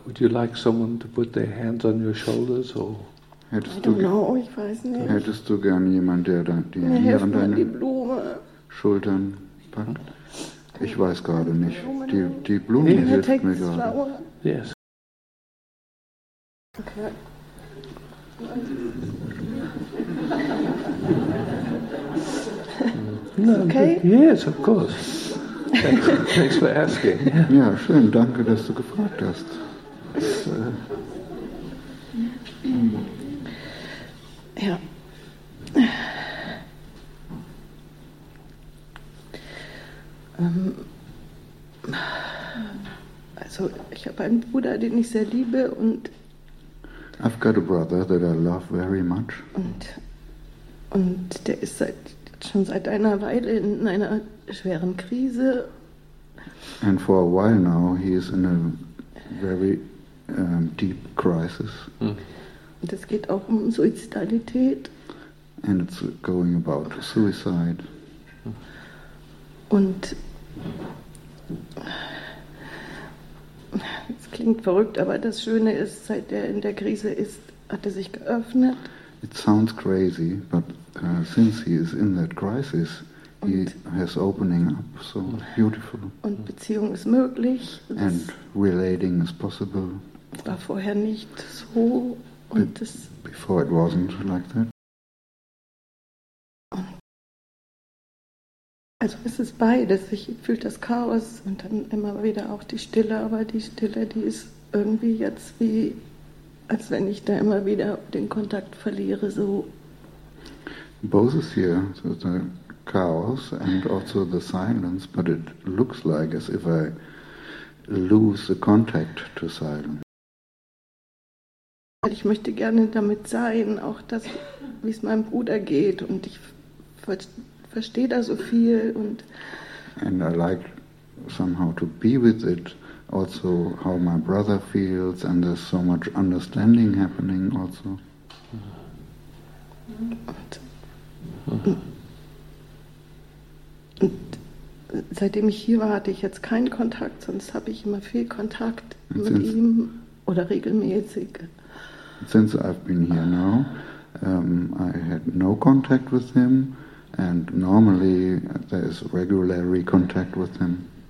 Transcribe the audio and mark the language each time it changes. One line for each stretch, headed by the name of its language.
English: Would you like someone to put their hands on your shoulders or?
German: Hättest du Hättest du gerne jemanden, der dann die Hände an deine Schultern packt? Ich weiß gerade nicht. Die Blume hilft mir gerade.
English: Yes. Okay. No, okay. Yes, of course. Thanks for asking.
German: Ja, schön, danke, dass du gefragt hast. Ja. Also, ich habe einen Bruder, den ich sehr liebe und
English: I've got a brother that I love very much.
German: Und der ist schon seit einer Weile in einer schweren Krise.
English: And for a while now he is in a very deep crisis.
German: Und es geht auch um Suizidalität.
English: And it's going about suicide.
German: Und es klingt verrückt, aber das Schöne ist, seit er in der Krise ist, hat er sich geöffnet.
English: It sounds crazy, but since he is in that crisis, he has opening up so beautiful.
German: Und Beziehung ist möglich.
English: And relating is possible.
German: War vorher nicht so.
English: Before it wasn't like that.
German: Also es ist beides. Ich fühle das Chaos und dann immer wieder auch die Stille. Aber die Stille, die ist irgendwie jetzt wie, als wenn ich da immer wieder den Kontakt verliere, so.
English: Both is here, so the chaos and also the silence, but it looks like as if I lose the contact to silence.
German: Ich möchte gerne damit sein, auch das, wie es meinem Bruder geht, und ich verstehe da so viel und.
English: And I like somehow to be with it, also how my brother feels, and there's so much understanding happening also.
German: Und seitdem ich hier war, hatte ich jetzt keinen Kontakt, sonst habe ich immer viel Kontakt mit ihm oder regelmäßig.
English: Since I've been here now, I had no contact with him. And normally there is regular contact with him.